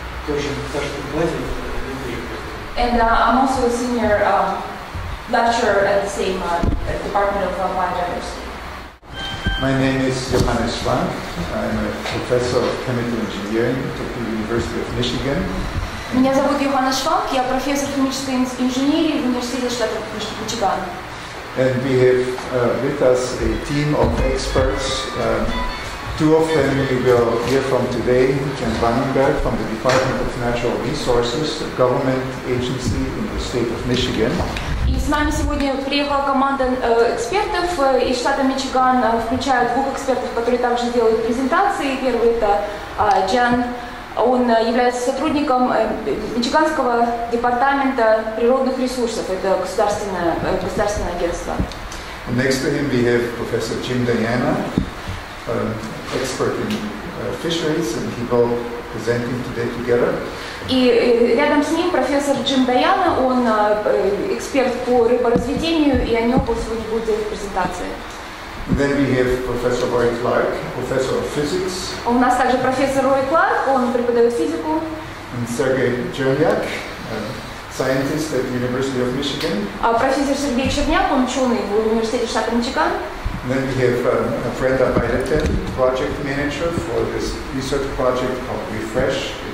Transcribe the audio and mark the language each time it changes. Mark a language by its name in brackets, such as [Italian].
[English] And I'm also a senior lecturer at the same Department of Biodiversity. My name is Johannes Frank. I'm a professor of chemical engineering at the University of Michigan. [Russian] Меня зовут Йоханна Шванк, я профессор химической инженерии в университете штата Мичиган. [English] And we have with us a team of experts. Two of them you will hear from today, Jan Vandenberg from the Department of Natural Resources, a government agency in the state of Michigan. [Russian] И с нами сегодня приехала команда экспертов из штата Мичиган, включая двух экспертов, которые также делают презентации. Первый это Джан. Он является сотрудником Мичиганского департамента природных ресурсов. Это государственное агентство. [English] Next to him we have Professor Jim Diana, expert in fisheries, and he will present him today together. [Russian] И рядом с ним профессор Джим Даяна, он эксперт по рыборазведению, и о нем сегодня будет делать презентация. [English] And then we have Professor Roy Clark, Professor of Physics. [Russian] У нас также профессор Рой Кларк, он преподает физику. [English] And Sergey Chernyak, scientist at the University of Michigan. [Russian] Профессор Сергей Черняк, он ученый в университете штата Мичиган. [English] Then we have Brenda Biden, project manager for this research project called REFRESH.